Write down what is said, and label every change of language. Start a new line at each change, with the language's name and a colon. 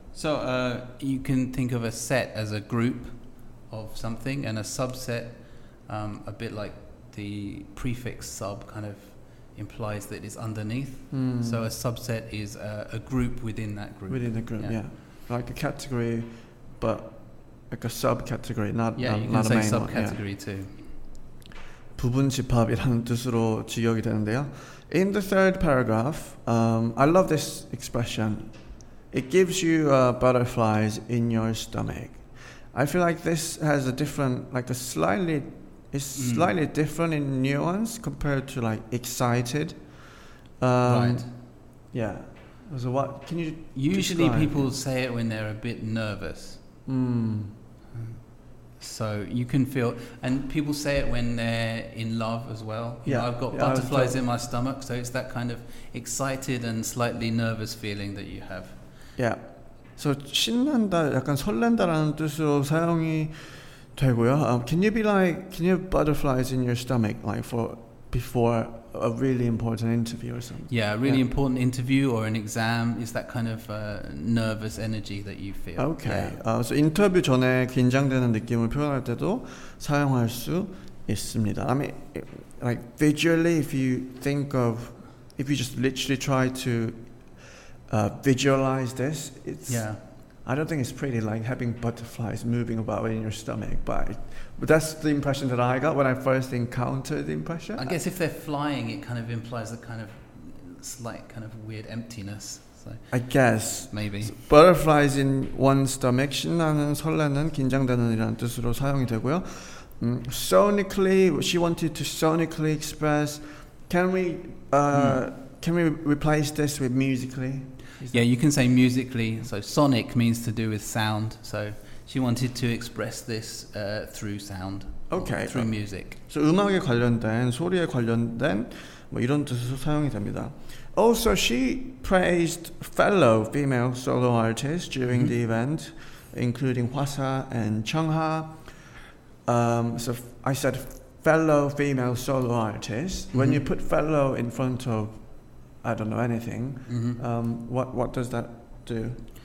English: So you can think of a set as a group of something, and a subset, a bit like the prefix sub, kind of implies that it's underneath. So a subset is a group within that group. Within the group, like a category, but like a subcategory, not yeah, not, not a main one. Yeah, you can say subcategory too.
Korean: 부분집합이라는 뜻으로 직역이 되는데요.
English: In the third paragraph, I love this expression. It gives you butterflies in your stomach. I feel like this has a different, like a slightly, it's slightly different in nuance compared to like excited. Right. Yeah. So what can you usually people say it when they're a bit nervous. So you can feel, and people say it when they're in love as well. I've got butterflies in my stomach. So it's that kind of excited and slightly nervous feeling that you have. Yeah.
Korean: So 신난다, 약간 설렌다라는 뜻으로 사용이 되고요.
English: Can you be like, can you have butterflies in your stomach like for before a really important interview or something? Yeah, a really important interview or an exam is that kind of nervous energy that you feel. Okay. Yeah.
Korean: So 인터뷰 전에 긴장되는 느낌을 표현할 때도 사용할 수 있습니다.
English: I mean, like visually, if you just literally try to visualize this, I don't think it's pretty, like having butterflies moving about in your stomach, but that's the impression that I got when I first encountered the impression. I guess if they're flying, it kind of implies a kind of slight kind of weird emptiness. So I guess. Maybe. Butterflies in one's stomach,
Korean: 신나는, 설레는, 긴장되는 이라는 뜻으로 사용이 되고요.
English: Sonically, she wanted to sonically express. Can we replace this with musically? Yeah, you can say musically. So sonic means to do with sound. So she wanted to express this through sound. Okay. Through music.
Korean: So 음악에 관련된, 소리에 관련된 뭐 이런 뜻으로 사용이 됩니다.
English: Also, she praised fellow female solo artists during the event, including Hwasa and Chungha. So I said fellow female solo artists. When you put fellow in front of, I don't know anything, what does that do?